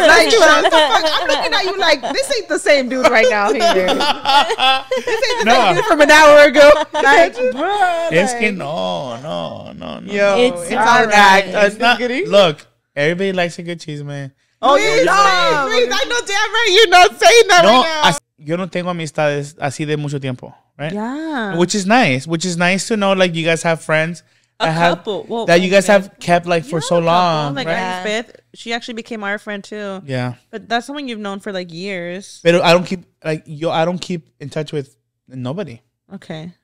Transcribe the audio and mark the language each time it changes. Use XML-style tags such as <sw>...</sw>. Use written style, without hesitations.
<en>I'm looking at you like this ain't the same dude right now. This ain't the same dude from an hour ago. It's our act. Look, everybody likes a good cheese, man. Oh, you love. I know damn right you're not saying that right now.</en> <es>Yo no tengo amistades así de mucho tiempo,</es> <en>right? Yeah. Which is nice to know, like, you guys have friends. Have kept, like, for so long. Fifth. She actually became our friend, too. Yeah. But that's someone you've known for, like, years. But I don't keep, like, I don't keep in touch with nobody. Okay.</en>